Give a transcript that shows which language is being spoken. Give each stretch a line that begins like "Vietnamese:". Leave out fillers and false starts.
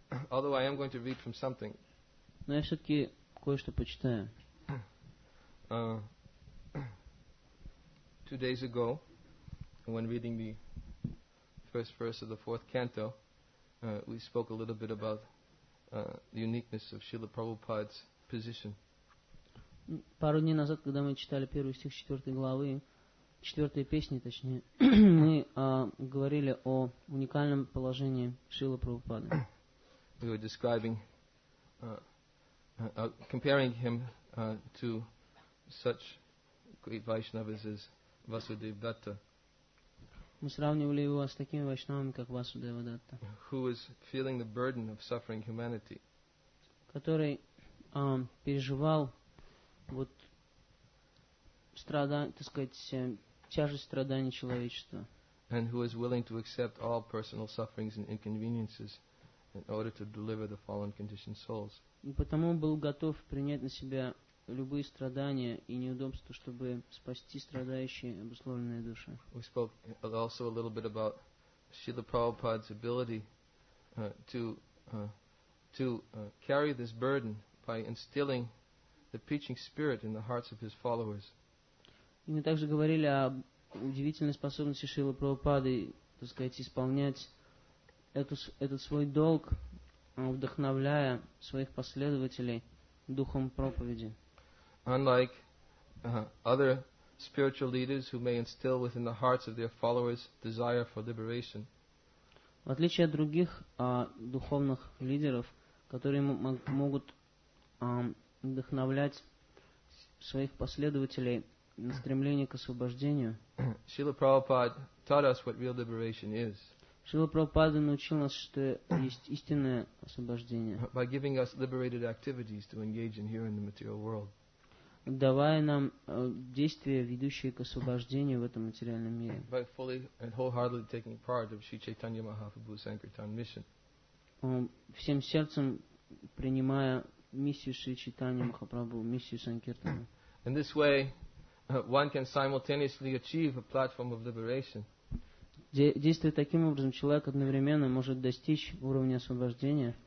English: Although I am going to read from something.
Russian: Но я все-таки кое-что почитаю.
English: Two days ago, when reading the first verse of the fourth canto, we spoke a little bit about the uniqueness of Srila Prabhupada's position.
Russian: Пару дней назад, когда мы читали первый стих четвертой главы, четвертой песни, точнее, мы говорили о уникальном положении Шрилы Прабхупады.
English: We were describing, comparing him to such great Vaishnavas as Vasudeva Datta.
Russian: Мы сравнивали его с такими вайшнавами, как Васудева Датта.
English: Who was feeling the burden of suffering humanity.
Russian: Который переживал вот страдания, так сказать, тяжесть страданий человечества.
English: And who was willing to accept all personal sufferings and inconveniences in order to deliver the fallen conditioned souls.
Russian: И потому был готов принять на себя любые страдания и неудобства, чтобы спасти страдающие обусловленные души.
English: We spoke also a little bit about Srila Prabhupada's ability to carry this burden by instilling the preaching spirit in the hearts of his followers.
Russian: И мы также говорили о удивительной способности Шрилы Прабхупады, так сказать, исполнять этот свой долг, вдохновляя своих последователей духом проповеди.
English: Unlike other spiritual leaders who may instill within the hearts of their followers desire for liberation.
Russian: В отличие от других духовных лидеров, которые могут вдохновлять своих последователей на стремление к освобождению.
English: Srila Prabhupada taught us what real liberation is.
Russian: Srila Prabhupada научил нас, что есть истинное освобождение.
English: By giving us liberated activities to engage in here in the material world.
Russian: Давая нам действия, ведущие к освобождению в этом материальном мире.
English: By fully and wholeheartedly taking part of Sri Chaitanya Mahaprabhu's Sankirtan mission.
Russian: Всем сердцем принимая миссию Шри Чайтаньи Махапрабху, миссию Санкиртана.
English: In this way, one can simultaneously achieve a platform of liberation.
Russian: Действуя таким образом, человек одновременно может достичь уровня освобождения.